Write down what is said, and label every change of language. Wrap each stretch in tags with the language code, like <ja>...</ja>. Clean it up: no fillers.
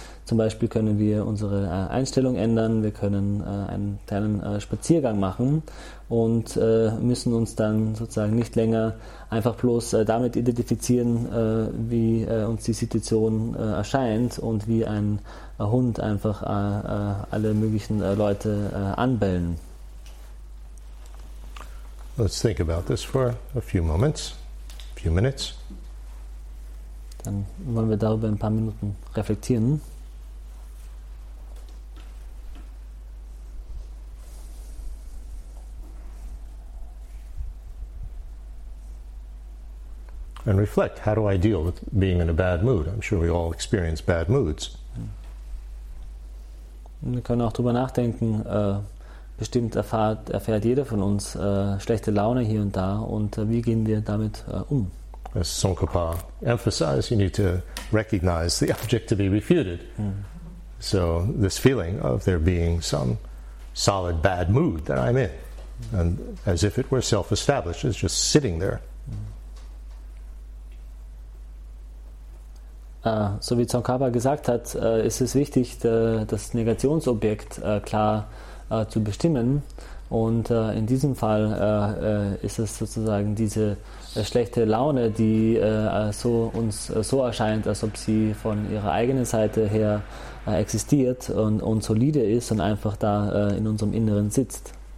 <de>Zum Beispiel können wir unsere Einstellung ändern, wir können einen kleinen Spaziergang machen und müssen uns dann sozusagen nicht länger einfach bloß damit identifizieren, wie uns die Situation erscheint und wie ein Hund einfach alle möglichen Leute anbellen.</de> <en>Let's think about this for a few moments, a few minutes.</en> <de>Dann wollen wir darüber ein paar Minuten reflektieren.</de> <en>And reflect, how do I deal with being in a bad mood? I'm sure we all experience bad moods.</en> <de>Wir können auch drüber nachdenken, bestimmt erfährt jeder von uns schlechte Laune hier und da, und wie gehen wir damit um?</de> <en>As Tsongkhapa emphasized, you need to recognize the object to be refuted. So this feeling of there being some solid bad mood that I'm in, and as if it were self-established, it's just sitting there.</en> <de>So wie Tsongkhapa gesagt hat, ist es wichtig, das Negationsobjekt klar zu bestimmen. Und in diesem Fall ist es sozusagen diese schlechte Laune, die so erscheint, als ob sie von ihrer eigenen Seite her existiert und solide ist und einfach da in unserem Inneren sitzt.</de>